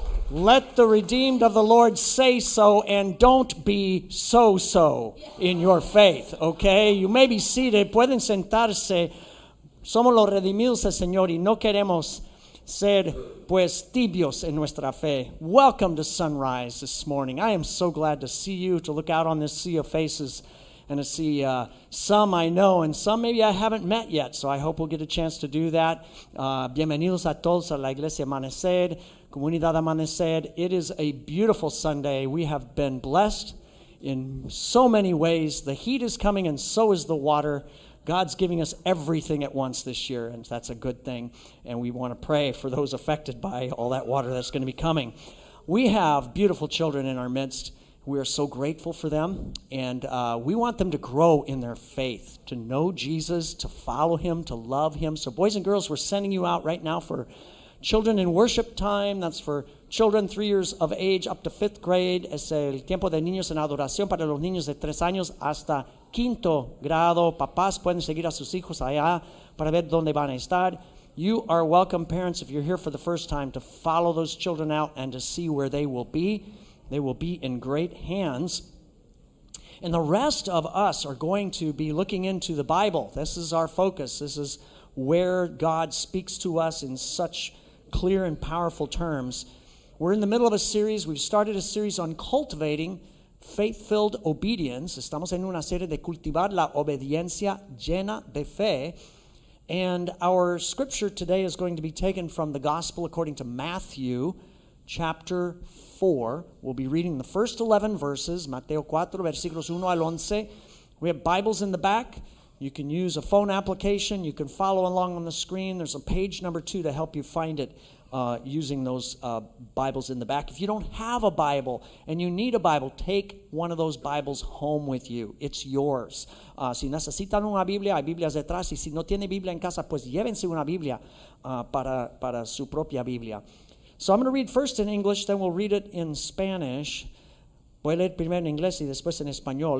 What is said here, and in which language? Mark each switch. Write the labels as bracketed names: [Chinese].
[English] Let the redeemed of the Lord say so, and don't be so-so in your faith, okay? You may be seated. [Spanish] Pueden sentarse. Somos los redimidos del Señor y no queremos ser pues tibios en nuestra fe. [English] Welcome to Sunrise this morning. I am so glad to see you, to look out on this sea of faces and to see some I know and some maybe I haven't met yet. So I hope we'll get a chance to do that. [Spanish] Bienvenidos a todos a la Iglesia Amanecer. [English] Comunidad Amanecer, it is a beautiful Sunday. We have been blessed in so many ways. The heat is coming and so is the water. God's giving us everything at once this year, and that's a good thing. And we want to pray for those affected by all that water that's going to be coming. We have beautiful children in our midst. We are so grateful for them, and we want them to grow in their faith, to know Jesus, to follow him, to love him. So boys and girls, we're sending you out right now for children in worship time. That's for children 3 years of age up to fifth grade. [Spanish] Es el tiempo de niños en adoración para los niños de tres años hasta quinto grado. Papás pueden seguir a sus hijos allá para ver dónde van a estar. [English] You are welcome, parents, if you're here for the first time, to follow those children out and to see where they will be. They will be in great hands. And the rest of us are going to be looking into the Bible. This is our focus. This is where God speaks to us in such clear and powerful terms. We're in the middle of a series. We've started a series on cultivating faith-filled obedience. [Spanish] Estamos en una serie de cultivar la obediencia llena de fe. [English] And our scripture today is going to be taken from the gospel according to Matthew chapter 4. We'll be reading the first 11 verses, [Spanish] Mateo 4, versículos 1 al 11. [English] We have Bibles in the back. You can use a phone application. You can follow along on the screen. There's a page number 2 to help you find it using those Bibles in the back. If you don't have a Bible and you need a Bible, take one of those Bibles home with you. It's yours. [Spanish] Si necesitan una Biblia, hay Biblias detrás. Y si no tiene Biblia en casa, pues llévense una Biblia para su propia Biblia. [English] So I'm going to read first in English, then we'll read it in Spanish. [Spanish] Voy a leer primero en inglés y después en español.